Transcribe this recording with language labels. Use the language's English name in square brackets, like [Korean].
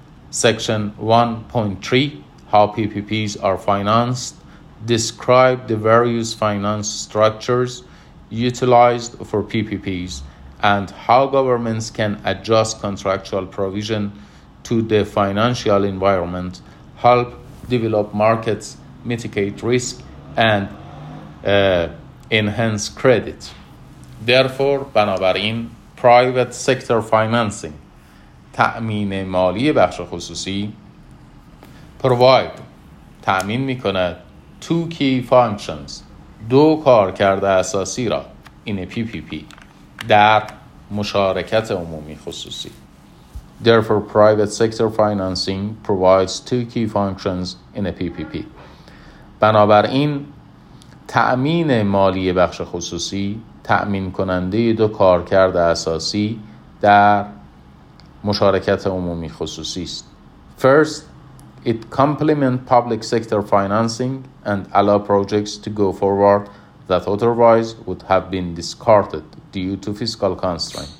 [English] Section 1.3, how PPPs are financed, describe the various finance structures utilized for PPPs and how governments can adjust contractual provision to the financial environment, help develop markets, mitigate risk, and enhance credit. Therefore, [Persian] بنابراین [English] private sector financing, [Persian] تأمین مالی بخش خصوصی, [English] provide, [Persian] تأمین می کند, [English] two key functions, [Persian] دو کارکرد اساسی را, [English] in a PPP, [Persian] در مشارکت عمومی خصوصی. [English] Therefore, private sector financing provides two key functions in a PPP. [Persian] بنابراین تأمین مالی بخش خصوصی تأمین کننده دو کارکرد اساسی در مشارکت عمومی خصوصی است. [English] First, it complements public sector financing and allow projects to go forward that otherwise would have been discarded due to fiscal constraint.